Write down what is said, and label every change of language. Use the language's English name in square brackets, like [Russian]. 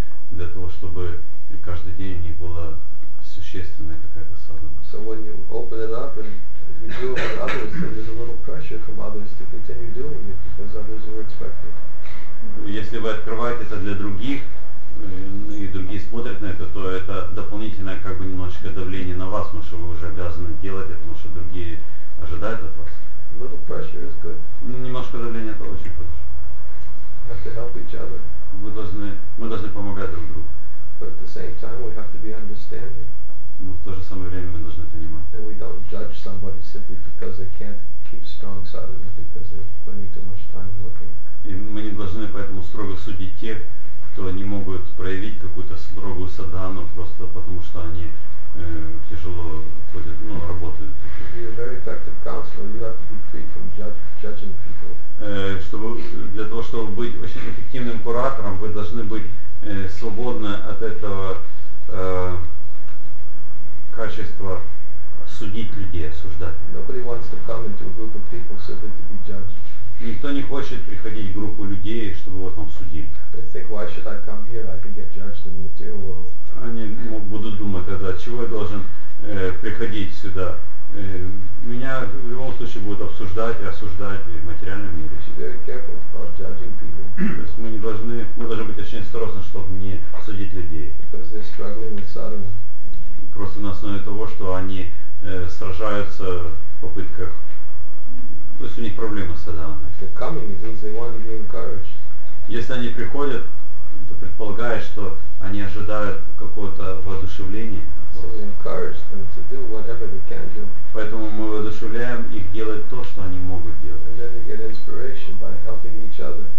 [Russian] Для того, чтобы каждый день не было все существенная какая-то садхана. [English] So when you open it up and you do it with others, then there's a little pressure from others to continue doing it because others are expecting. [Russian] Если вы открываете это для других, и другие смотрят на это, то это дополнительное как бы немножечко давление на вас, потому что вы уже обязаны делать это, потому что другие ожидают от вас. [English] A little pressure is good. [Russian] Немножко давления это очень хорошо. [English] We have to help each other. [Russian] Мы должны помогать друг другу. [English] But at the same time we have to be understanding. [Russian] Но в то же самое время мы должны понимать. [English] And we don't judge somebody simply because they can't keep strong sadhana because they're spending too much time looking. [Russian] И мы не должны поэтому строго судить тех, кто не могут проявить какую-то строгую садхану просто потому что они тяжело ходят, ну, работают. [English] You're a very effective counselor. You have to be free from judging people. [Russian] Чтобы для того, чтобы быть очень эффективным куратором, вы должны быть свободны от этого качества судить людей, осуждать. [English] Nobody wants to come into a group of people simply to be judged. [Russian] Никто не хочет приходить в группу людей, чтобы его там судили. [English] They think, why should I come here? I can get judged in the material world. [Russian] Они будут думать тогда, чего я должен приходить сюда. Меня в любом случае будут обсуждать и осуждать в материальном мире. [English] Very careful about judging people. [Russian] То есть мы должны быть очень осторожны, чтобы не судить людей. [English] Because they're struggling with sadhana. [Russian] Просто на основе того, что они сражаются в попытках. То есть у них проблемы с садханой. [English] They're coming, it means they want to be encouraged. [Russian] Если они приходят, то предполагает, что они ожидают какого-то воодушевления. [English] So we encourage them to do whatever they can do. [Russian] Поэтому мы воодушевляем их делать то, что они могут делать. [English] And then they get inspiration by helping each other.